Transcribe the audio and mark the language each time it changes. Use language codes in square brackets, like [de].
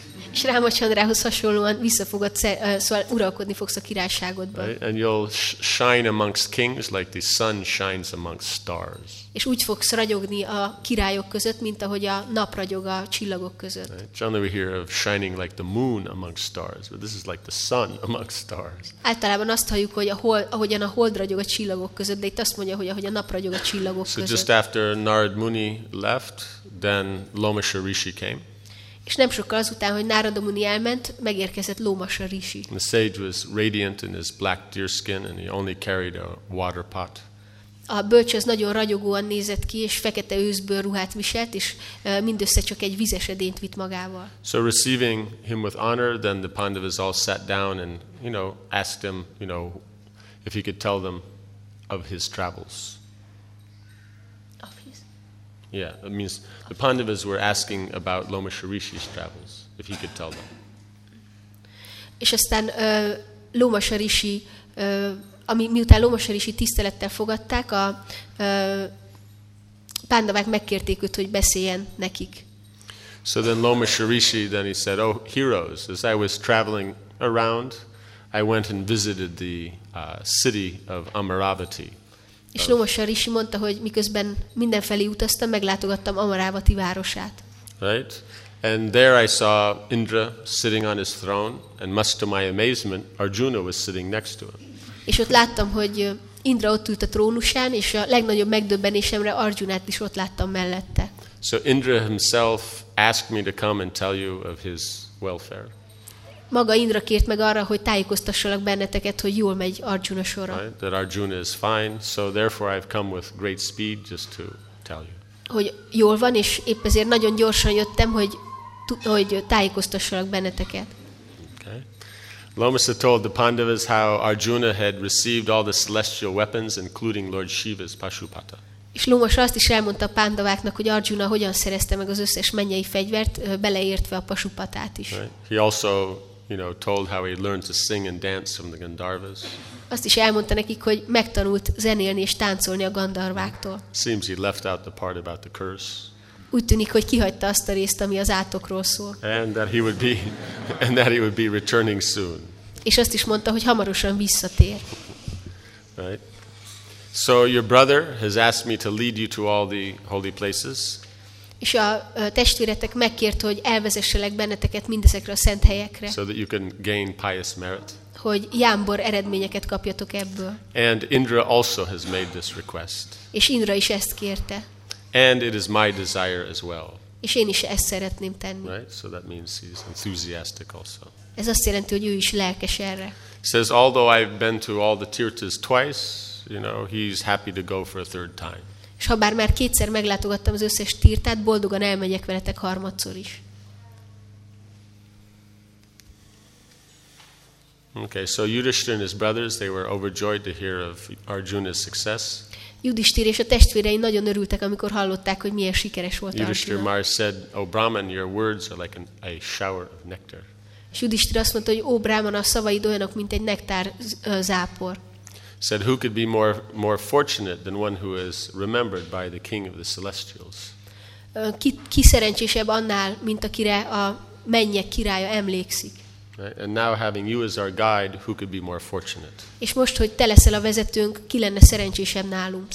[hu] És Ramachandrához hasonlóan vissza fogod szóval uralkodni fogsz a királyságodban. [en] Right? And you'll shine amongst kings like the sun shines amongst stars. [hu] És úgy fogsz ragyogni a királyok között, mint ahogy a nap ragyog a csillagok között. [en] Right? Generally we hear of shining like the moon amongst stars, but this is like the sun amongst stars. [hu] Általában azt halljuk, hogy ahogyan a hold ragyog a csillagok között, de itt azt mondja, hogy ahogy a nap ragyog a csillagok között. [en] So just after Narad Muni left, then Lomasa Rishi came. [hu] És nem sokkal azután, hogy Narada Muni elment, megérkezett Lomasa Rishi. [en] The sage was radiant in his black deerskin and he only carried a water pot. [hu] A bölcs az nagyon ragyogóan nézett ki, és fekete őszbőr ruhát viselt, és mindössze csak egy vízesedényt vitt magával. [en] So receiving him with honor, then the Pandavas all sat down and, you know, asked him, you know, if he could tell them of his travels. Yeah, it means the Pandavas were asking about Lomasa Rishi's travels, if he could tell them. [hu] És aztán Lomasa Rishi, ami miután Lomasa Rishi tisztelettel fogadták, a Pandavák megkérték őt, hogy beszéljen nekik. [en] So then Lomasa Rishi, then he said, oh heroes, as I was traveling around, I went and visited the city of Amaravati. [hu] És Lomasa Rishi mondta, hogy miközben mindenfelé utaztam, meglátogattam Amaravati városát. [en] Right? And there I saw Indra sitting on his throne, and much to my amazement, Arjuna was sitting next to him. [hu] És ott láttam, hogy Indra ott ült a trónusán, és a legnagyobb megdöbbenésemre Arjunát is ott láttam mellette. [en] So Indra himself asked me to come and tell you of his welfare. [hu] Maga Indra kért meg arra, hogy tájékoztassalak benneteket, hogy jól megy Arjuna sora. [en] Right, that Arjuna is fine, so therefore I've come with great speed just to tell you. [hu] Hogy jól van, és épp ezért nagyon gyorsan jöttem, hogy tájékoztassalak benneteket. [en] Okay. Lomasa told the Pandavas how Arjuna had received all the celestial weapons, including Lord Shiva's Pashupata. [hu] És Lomasa azt is elmondta a Pándaváknak, hogy Arjuna hogyan szerezte meg az összes mennyei fegyvert, beleértve a Pasupatát is. [en] Right. He also, you know, told how he learned to sing and dance from the Gandharvas. [hu] Azt is elmondta nekik, hogy megtanult zenélni és táncolni a Gandharváktól. [en] Seems he left out the part about the curse. [hu] Úgy tűnik, hogy kihagyta azt a részt, ami az átokról szól. [en] And that he would be returning soon. [hu] És azt is mondta, hogy hamarosan visszatér. [en] Right. So your brother has asked me to lead you to all the holy places. [hu] És a testvéretek megkért, hogy elvezesselek benneteket mindezekre a szent helyekre. [en] So that you can gain pious merit. [hu] Hogy jámbor eredményeket kapjatok ebből. [en] And Indra also has made this request. [hu] És Indra is ezt kérte. [en] And it is my desire as well. [hu] És én is ezt szeretném tenni. [en] Right? So that means he's enthusiastic also. [hu] Ez azt jelenti, hogy ő is lelkes erre. [en] Says although I've been to all the tirthas twice, you know, he's happy to go for a third time. [hu] És ha bár már kétszer meglátogattam az összes tirtát, boldogan elmegyek veletek harmadszor is. [en] Okay, so Yudhishthir and his brothers, they were overjoyed to hear of Arjuna's success. [hu] Yudhishthir és a testvérei nagyon örültek, amikor hallották, hogy milyen sikeres volt Arjuna. [en] Yudhishthir Mahārāja said, "O Brahman, your words are like a shower of nectar." [hu] És Yudhishthir azt mondta, hogy ó Brahman, a szavaid olyanok, mint egy nektár zápor. [en] Said who could be more fortunate than one who is remembered by the king of the celestials. [hu] Ki szerencsésebb annál, mint akire a mennyek királya emlékszik. [en] And now having you as our guide, who could be more fortunate? [hu] És most, hogy te leszel a vezetőnk, ki lenne szerencsésebb nálunk?